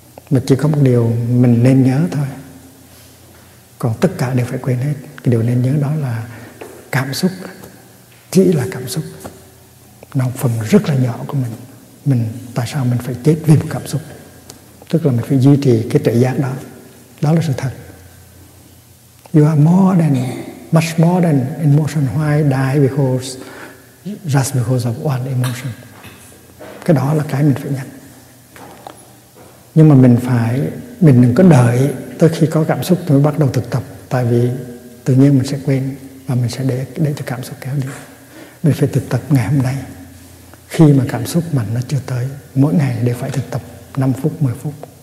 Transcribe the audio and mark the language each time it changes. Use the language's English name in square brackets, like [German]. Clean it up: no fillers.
[Vietnamese] Mà chỉ có một điều mình nên nhớ thôi. Còn tất cả đều phải quên hết. Cái điều nên nhớ đó là cảm xúc chỉ là cảm xúc. Nó phần rất là nhỏ của mình. Mình tại sao mình phải chết vì một cảm xúc? Tức là mình phải duy trì cái tự giác đó. Đó là sự thật. [English] You are more than, much more than emotion. Why die because, just because of one emotion? [Vietnamese] Cái đó là cái mình phải nhận. Nhưng mà mình đừng có đợi tới khi có cảm xúc mới bắt đầu thực tập. Tại vì tự nhiên mình sẽ quên và mình sẽ để cho cảm xúc kéo đi. Mình phải thực tập ngày hôm nay. Khi mà cảm xúc mạnh nó chưa tới, mỗi ngày đều phải thực tập 5 phút, 10 phút.